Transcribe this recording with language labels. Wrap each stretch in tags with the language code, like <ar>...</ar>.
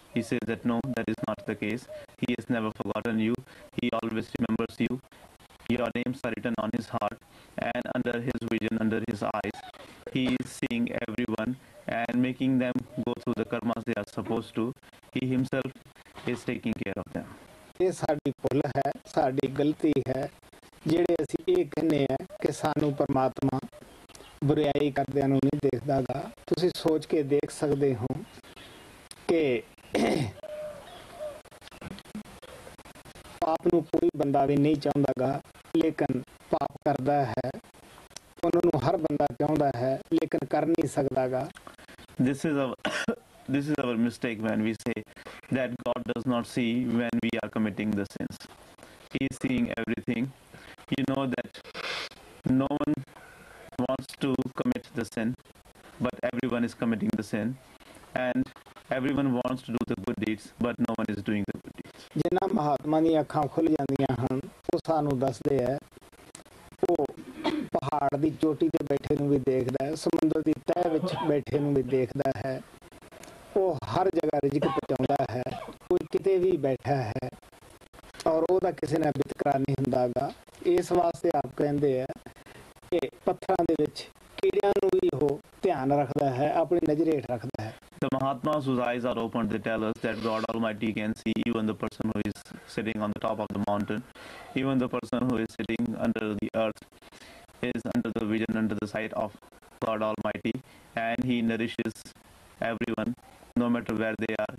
<en>He says that, no, that is not the case. He has never forgotten you. He always remembers you. Your names are written on His heart and under His vision, under His eyes. He is seeing everyone and making them go through the karmas they are supposed to. He Himself is taking care of them.</en> <pa>ਇਹ ਸਾਡੀ ਭੁੱਲ ਹੈ ਸਾਡੀ ਗਲਤੀ ਹੈ ਜਿਹੜੇ ਅਸੀਂ ਇਹ ਕਹਿੰਦੇ ਹਾਂ ਕਿ ਸਾਨੂੰ ਪਰਮਾਤਮਾ ਬੁਰਿਆਈ ਕਰਦਿਆਂ ਨੂੰ ਨਹੀਂ ਦੇਖਦਾ ਗਾ ਤੁਸੀਂ ਸੋਚ ਕੇ ਦੇਖ ਸਕਦੇ ਹੋ ਕਿ ਪਾਪ ਨੂੰ ਕੋਈ ਬੰਦਾ ਵੀ ਨਹੀਂ ਚਾਹੁੰਦਾ ਗਾ ਲੇਕਿਨ ਪਾਪ ਕਰਦਾ ਹੈ ਉਹਨਾਂ ਨੂੰ ਹਰ ਬੰਦਾ ਚਾਹੁੰਦਾ ਹੈ ਲੇਕਿਨ ਕਰ ਨਹੀਂ ਸਕਦਾ ਗਾ</pa> <en>This is our mistake when we say that God does not see when we are committing the sins. He is seeing everything. You know that no one wants to commit the sin, but everyone is committing the sin. And everyone wants to do the good deeds, but no one is doing the good deeds.</en> <pa>ਜਿਨ੍ਹਾਂ ਮਹਾਤਮਾ ਦੀਆਂ ਅੱਖਾਂ ਖੁੱਲ੍ਹ ਜਾਂਦੀਆਂ ਹਨ ਉਹ ਸਾਨੂੰ ਦੱਸਦੇ ਹੈ ਉਹ ਪਹਾੜ ਦੀ ਚੋਟੀ 'ਤੇ ਬੈਠੇ ਨੂੰ ਵੀ ਦੇਖਦਾ ਹੈ ਸਮੁੰਦਰ ਦੀ ਤਹਿ ਵਿੱਚ ਬੈਠੇ ਨੂੰ ਵੀ ਦੇਖਦਾ ਹੈ ਉਹ ਹਰ ਜਗ੍ਹਾ ਰਿਜਕ ਪਹੁੰਚਾਉਂਦਾ ਹੈ ਉਹ ਕਿਤੇ ਵੀ ਬੈਠਾ ਹੈ ਔਰ ਉਹਦਾ ਕਿਸੇ ਨਾਲ ਵਿਤਕਰਾ ਨਹੀਂ ਹੁੰਦਾ ਗਾ ਇਸ ਵਾਸਤੇ ਆਪ ਕਹਿੰਦੇ ਹੈ ਕਿ ਪੱਥਰਾਂ ਦੇ ਵਿੱਚ ਕੀੜਿਆਂ ਨੂੰ ਵੀ ਉਹ ਧਿਆਨ ਰੱਖਦਾ ਹੈ ਆਪਣੀ ਨਜ਼ਰ ਹੇਠ ਰੱਖਦਾ ਹੈ</pa> <en>The Mahatmas whose eyes are open, they tell us that God Almighty can see even the person who is sitting on the top of the mountain, even the person who is sitting under the earth, is under the vision, under the sight of God Almighty, and He nourishes everyone, no matter where they are.</en>